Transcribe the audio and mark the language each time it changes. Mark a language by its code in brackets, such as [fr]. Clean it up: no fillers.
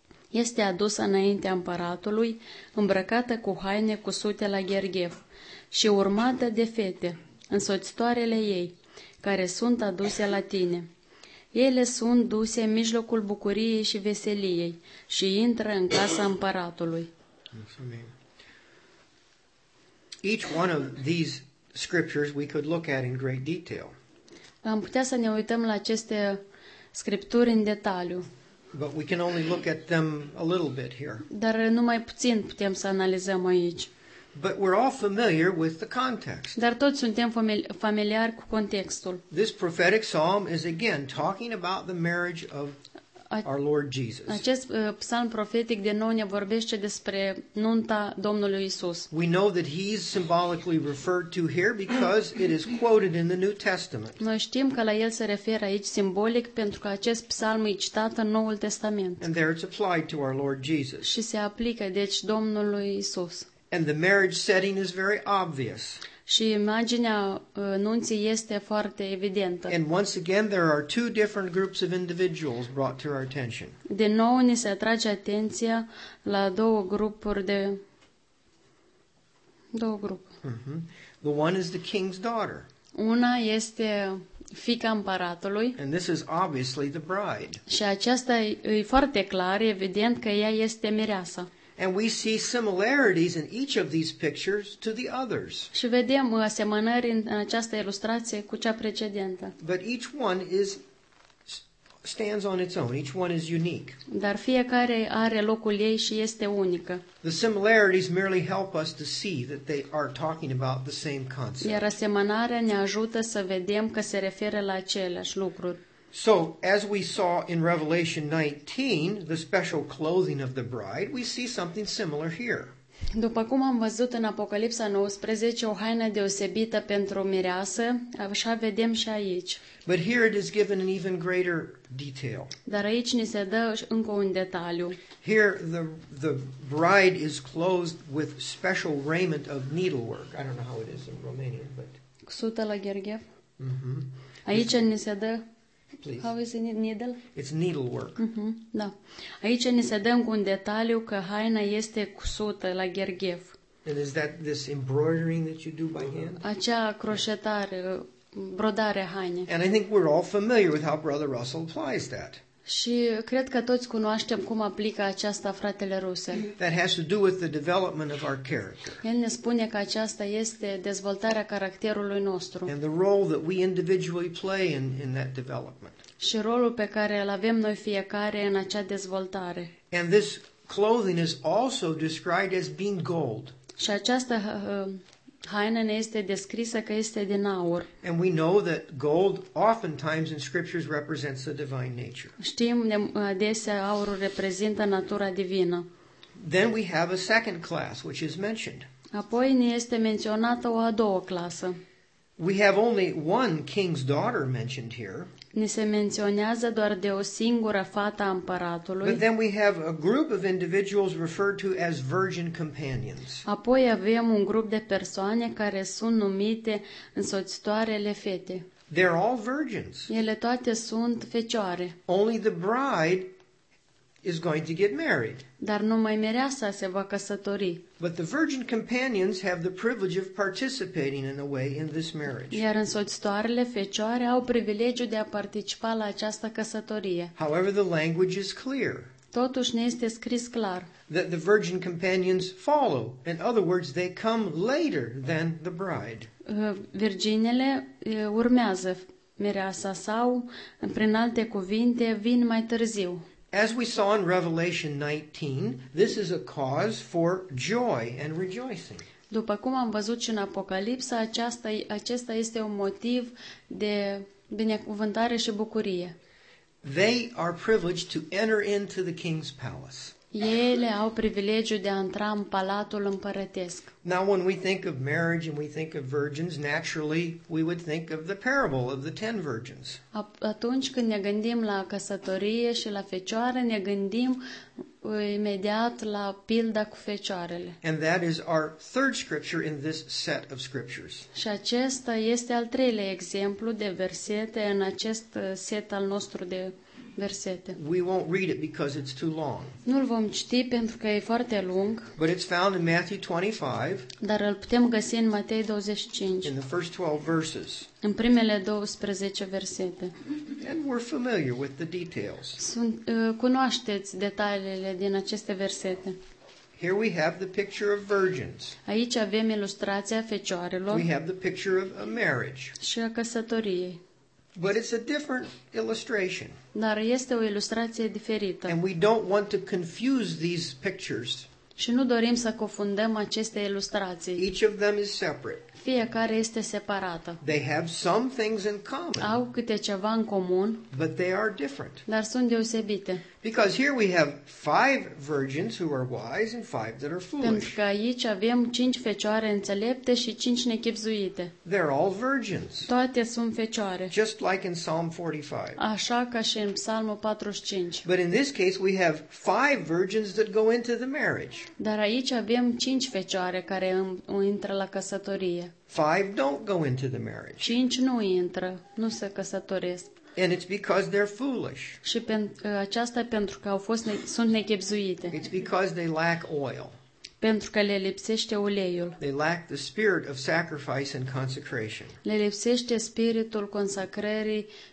[ro] Este adusă înaintea împăratului, îmbrăcată cu haine cu sute la gherghef și urmată de fete, însoțitoarele ei, care sunt aduse la tine. Ele sunt duse în mijlocul bucuriei și veseliei și intră în casa împăratului. [en] Each one of these scriptures we could look at in great detail. [ro] Am putea să ne uităm la aceste scripturi în detaliu. [en] But we can only look at them a little bit here. [ro] Dar numai puțin putem să analizăm aici. [en] But we're all familiar with the context. [ro] Dar toți suntem familiari cu contextul. [en] This prophetic psalm is again talking about the marriage of our Lord Jesus. [ro] Acest psalm profetic din nou ne vorbește despre nunta Domnului Isus. [en] We know that he's symbolically referred to here because it is quoted in the New Testament. [ro] Noi știm că la el se referă aici simbolic pentru că acest psalm e citat în Noul Testament. [en] And there it's applied to our Lord Jesus. [ro] Și se aplică deci Domnului Isus. [en] And the marriage setting is very obvious. [ro] Și imaginea nunții este foarte evidentă. [en] And once again, there are two different groups of individuals brought to our attention. [ro] Din nou ni se atrage atenția la două grupuri de două grupuri. [en] The one is the king's daughter. [ro] Una este fiica împăratului. [en] And this is obviously the bride. [ro] Și aceasta e foarte clar, evident că ea este mireasa. [en] And we see similarities in each of these pictures to the others. [ro] Și vedem asemănări în această ilustrație cu cea precedentă. [en] But each one stands on its own. Each one is unique. [ro] Dar fiecare are locul ei și este unică. [en] The similarities merely help us to see that they are talking about the same concept. [ro] Iar asemănarea ne ajută să vedem că se referă la aceleași lucruri. [en] So, as we saw in Revelation 19, the special clothing of the bride, we see something similar here. [ro] După cum am văzut în Apocalipsa 19, o haină deosebită pentru mireasă, așa vedem și aici. [en] But here it is given an even greater detail. [ro] Dar aici ni se dă încă un detaliu. [en] Here the bride is clothed with special raiment of needlework. I don't know how it is in Romanian, but... [ro] Sută la Gherghev. Aici ni se dă... [en] Please. How is it needle? It's needlework. [ro] Da. Aici ni se dăm cu un detaliu că haina este cusută la gherghev. [en] And is that this embroidering that you do by hand? [ro] Acea croșetare, brodare haine. [en] And I think we're all familiar with how Brother Russell applies that. [ro] Și cred că toți cunoaștem cum aplică aceasta fratele Russell. [en] That has to do with the development of our character. [ro] El ne spune că aceasta este dezvoltarea caracterului nostru. [en] And the role that we individually play in that development. [ro] Și rolul pe care îl avem noi fiecare în acea dezvoltare. [en] And this clothing is also described as being gold. [ro] Și această haina ne este descrisă că este din aur. [en] And we know that gold oftentimes in scriptures represents the divine nature. [ro] Știm că adesea aurul reprezintă natura divină. [en] Then we have a second class which is mentioned. [ro] Apoi ne este menționată o a doua clasă. [en] We have only one king's daughter mentioned here. [ro] Ni se menționează doar de o singură fată a împăratului. [en] But then we have a group of individuals referred to as virgin companions. [ro] Apoi avem un grup de persoane care sunt numite însoțitoarele fete. [en] They're all virgins. [ro] Ele toate sunt fecioare. [en] Only the bride is going to get married. [ro] Dar numai mireasa se va căsători. [en] But the virgin companions have the privilege of participating in a way in this marriage. [ro] Iar însoțitoarele fecioare au privilegiul de a participa la această căsătorie. [en] However, the language is clear. [ro] Totuși ne este scris clar. [en] That the virgin companions follow. In other words, they come later than the bride. [ro] Virginele urmează mireasa sau, prin alte cuvinte, vin mai târziu. [en] As we saw in Revelation 19, this is a cause for joy and rejoicing. [ro] După cum am văzut și în Apocalipsa, acesta este un motiv de binecuvântare și bucurie. [en] They are privileged to enter into the king's palace. [ro] Ele au privilegiul de a intra în palatul împărătesc. [en] Now when we think of marriage and we think of virgins, naturally we would think of the parable of the 10 virgins. [ro] Atunci când ne gândim la căsătorie și la fecioare, ne gândim imediat la pilda cu fecioarele. [en] And that is our third scripture in this set of scriptures. [ro] Și acesta este al treilea exemplu de versete în acest set al nostru de versete. [en] We won't read it because it's too long. [ro] Nu-l vom citi pentru că e foarte lung. [en] But it's found in Matthew 25. [ro] Dar îl putem găsi în Matei 25. [en] In the first 12 verses. [ro] În primele 12 versete. [en] And we're familiar with the details. [ro] Cunoașteți detaliile din aceste versete. [en] Here we have the picture of virgins. [ro] Aici avem ilustrația fecioarelor. [en] We have the picture of a marriage. [ro] Și a căsătoriei. [en] But it's a different illustration. [ro] Dar este o ilustrație diferită. [en] And we don't want to confuse these pictures. [ro] Și nu dorim să confundăm aceste ilustrații. [en] Each of them is separate. [ro] Fiecare este separată. [en] They have some things in common. [ro] Au câte ceva în comun. [en] But they are different. [ro] Dar sunt deosebite. [en] Because here we have five virgins who are wise and five that are foolish. [ro] Pentru că aici avem cinci fecioare înțelepte și cinci nechipzuite. [en] They're all virgins. [ro] Toate sunt fecioare. [en] Just like in Psalm 45. [ro] Așa ca și în Psalmul 45. [en] But in this case we have five virgins that go into the marriage. [ro] Dar aici avem cinci fecioare care intră la căsătorie. [en] Five don't go into the marriage. [ro] Cinci nu intră, nu se căsătoresc. [en] And it's because they're foolish. [ro] Și aceasta pentru că au fost sunt nechipzuite. [en] It's because they lack oil. [ro] Pentru că le lipsește uleiul. [en] They lack the spirit of sacrifice and consecration. [ro] Le lipsește spiritul consacrării.